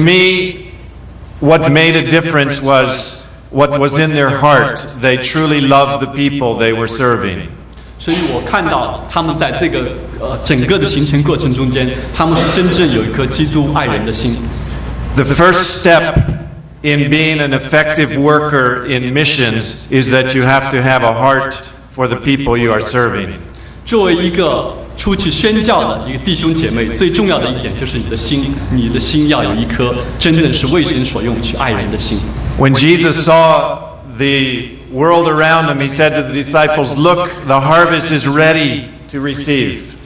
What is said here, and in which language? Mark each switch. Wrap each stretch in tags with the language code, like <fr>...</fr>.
<en>me, what made a difference was what was in their heart. They truly loved the people they were serving.</en> <zh>所以我看到他们在这个整个的行程过程中间，他们是真正有一颗基督爱人的心。</zh> <en>The first step in being an effective worker in missions is that you have to have a heart for the people you are serving.</en> <zh>作为一个出去宣教的一个弟兄姐妹，最重要的一点就是你的心，你的心要有一颗真正是为神所用去爱人的心。</zh> <en>When Jesus saw the world around him, he said to the disciples, "Look, the harvest is ready to receive."</en>